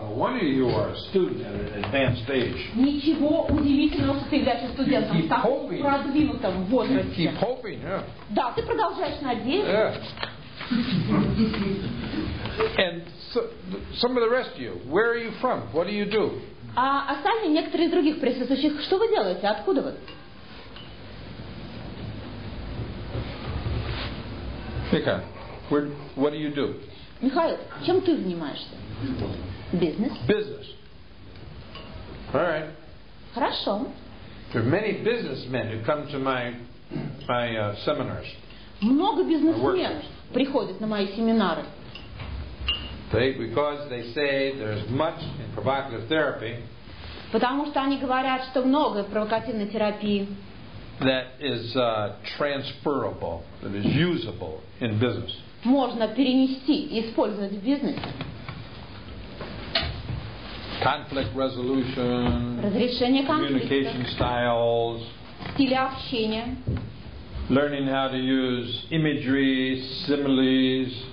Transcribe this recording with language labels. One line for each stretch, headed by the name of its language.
English: No wonder you are a student at an advanced age.
Russian: Ничего удивительного, что ты являешься студентом в таком продвинутом возрасте.
English: Keep hoping, yeah.
Russian: Да, ты продолжаешь надеяться.
English: And so, some of the rest of you, where are you from? What do you do?
Russian: А остальные некоторые других присутствующих, что вы делаете? Откуда вы?
English: Mika, what do you do?
Russian: Михаил, чем ты занимаешься? Бизнес.
English: Business. All right.
Russian: Хорошо.
English: There are many businessmen who come to my seminars.
Russian: Много бизнесменов приходят на мои семинары.
English: Because they say there's much in provocative therapy.
Russian: Потому что они говорят, что много в провокативной терапии.
English: That is transferable, that is usable in business.
Russian: Можно перенести и использовать в бизнесе.
English: Conflict resolution.
Russian: Разрешение конфликтов.
English: Communication styles.
Russian: Стили общения.
English: Learning how to use imagery, similes.